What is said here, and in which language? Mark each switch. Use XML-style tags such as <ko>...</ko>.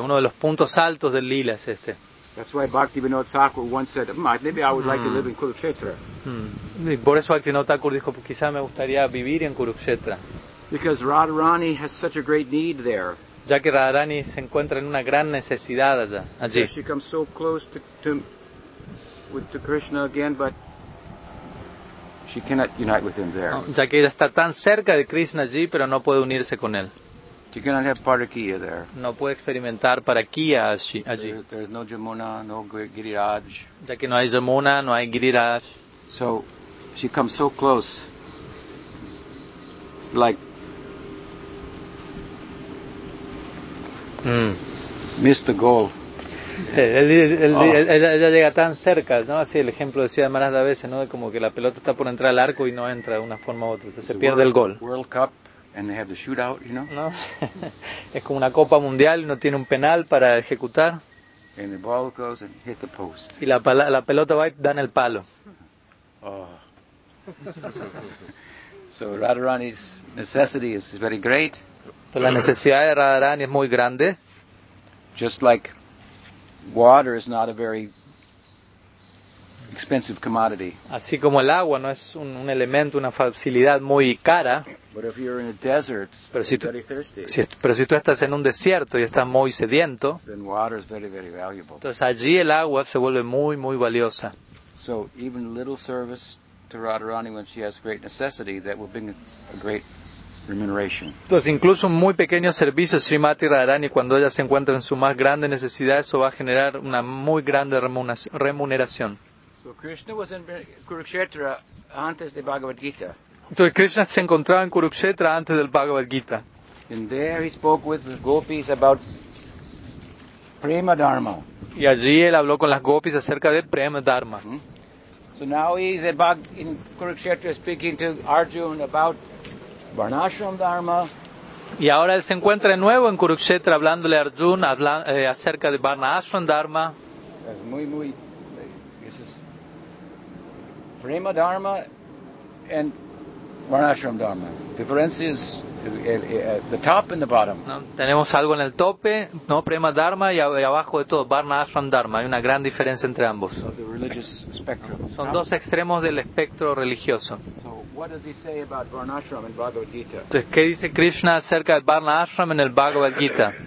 <es>Uno de los puntos altos del lila es este.</es> <en>That's why Bhaktivinoda Thakur once said, maybe I would like to live in Kurukshetra.</en> <es>Por eso Bhaktivinoda Thakur dijo, quizá me gustaría vivir en Kurukshetra.</es> <en>Because Radharani has such a great need there.</en> <es>ya que Radharani se encuentra en una gran necesidad allá, allí.</es> <en>She comes so close to, to Krishna again, but she cannot unite with him there.</en> <es>Ya que ella está tan cerca de Krishna allí, pero no puede unirse con él.</es> <en>She cannot have parakiya there.</en> <es>No puede experimentar parakiya allí.</es> <en>There is no Jamuna, no Giriraj.</en> <es>Ya que no hay Jamuna, no hay Giriraj.</es> <en>So she comes so close. Like missed the goal.</en> <es>Ella llega tan cerca, ¿no? Así el ejemplo decía Maras a veces, ¿no? De como que la pelota está por entrar al arco y no entra de una forma u otra, o sea, se pierde el gol.</es> <en>World Cup and they have the shootout, you know?</en> <es>¿No? Es como una copa mundial y no tiene un penal para ejecutar.</es> <en>And the ball goes and hits the post.</en> <es>Y la pelota va y da en el palo. Oh.</es> <en>So Radharani's necessity is very great.</en> <es>Entonces, la necesidad de Radharani es muy grande.</es> <en>Just like water is not a very expensive commodity.</en> <es>Así como el agua no es un elemento, una facilidad muy cara.</es> <en>But if you're in a desert,</en> <es>pero si</es> <en>you're very thirsty.</en> <es>Pero si tú estás en un desierto y estás muy sediento,</es> <en>then water is very, very valuable.</en> <es>Entonces allí el agua se vuelve muy, muy valiosa.</es> <en>So even little service to Radharani when she has great necessity, that will bring a great remuneration.</en> <es>Entonces, incluso un muy pequeño servicio a Srimati Radharani cuando ella se encuentra en su más grande necesidad, eso va a generar una muy grande remuneración.</es> <en>So Krishna was in Kurukshetra</en> <es>antes de</es> <en>Bhagavad Gita.</en> <es>Entonces Krishna se encontraba en Kurukshetra antes del Bhagavad Gita.</es> <en>And there he spoke with the gopis about prema dharma.</en> <es>Y allí él habló con las gopis acerca del prema dharma.</es> <en>So now he's in Kurukshetra speaking to Arjuna about Varnashram Dharma.</en> <es>Y ahora él se encuentra de nuevo en Kurukshetra hablándole a Arjuna acerca de Varnashram Dharma. Es muy, muy...</es> <en>This is Prema Dharma and Varnashram Dharma. Difference is the top and the bottom.</en> <es>¿No? Tenemos algo en el tope, ¿no? Prema Dharma y abajo de todo, Varnashram Dharma. Hay una gran diferencia entre ambos.</es> <en>So the religious spectrum.</en> <es>¿No? Son dos extremos del espectro religioso.</es> <en>So what does he say about Varnashram in Bhagavad Gita?</en> <es>Entonces, ¿qué dice Krishna acerca de Varnashram en el Bhagavad Gita?</es>